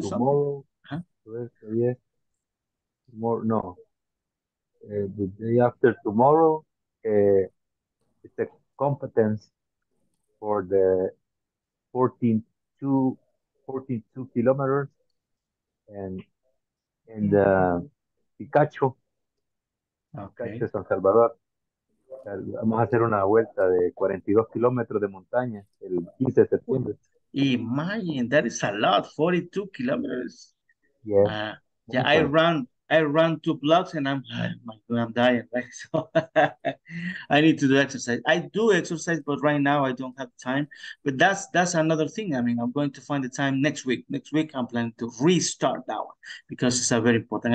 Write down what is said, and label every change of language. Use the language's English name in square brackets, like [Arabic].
[English] the day after tomorrow, it's a competence for the 14.2 kilometers and Picacho. Okay. Picacho, San Salvador. [Spanish] Vamos a hacer una vuelta de 42 kilómetros de montaña el 15 de septiembre. [English] Imagine, that is a lot, 42 kilómetros. Yes. Yeah, I run 2 blocks and I'm dying, right? So I need to do exercise. I do exercise, but right now I don't have time. But that's another thing. I mean, I'm going to find the time next week. Next week I'm planning to restart that one because it's a very important.